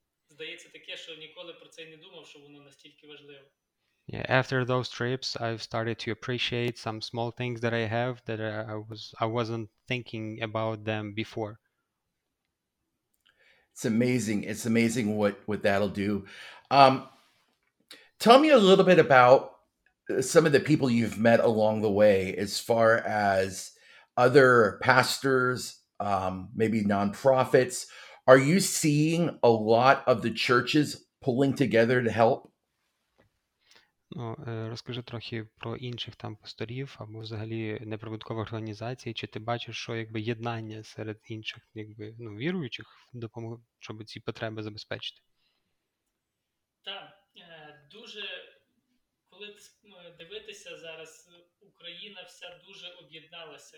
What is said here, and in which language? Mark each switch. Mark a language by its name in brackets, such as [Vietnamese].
[Ukrainian] Здається таке, що ніколи про це не думав, що воно настільки важливо. [English] Yeah, after those trips, I've started to appreciate some small things that I have that I wasn't thinking about them before. It's amazing. It's amazing what that'll do. Tell me a little bit about some of the people you've met along the way, as far as other pastors, maybe nonprofits. Are you seeing a lot of the churches pulling together to help? [Ukrainian] Ну, розкажи трохи про інших там пасторів або взагалі неприбуткові організації. Чи ти бачиш, що якби єднання серед інших, якби ну віруючих, допомогу, щоб ці потреби забезпечити? Так. Дуже, коли дивитися зараз, Україна вся дуже об'єдналася.